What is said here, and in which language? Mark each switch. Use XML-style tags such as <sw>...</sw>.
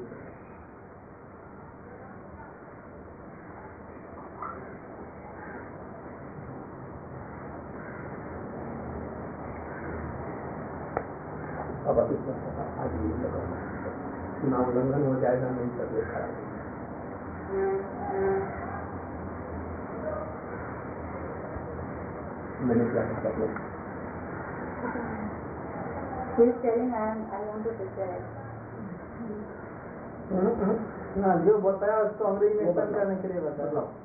<hi>ये उल्लंघन हो जाएगा नहीं सब देखा मैंने क्या सब लोग</hi> <en>She is telling, I want to declare.</en> <hi>ना जो बताया उसको अंग्रेजी में टर्न करने के लिए बता लो.</hi>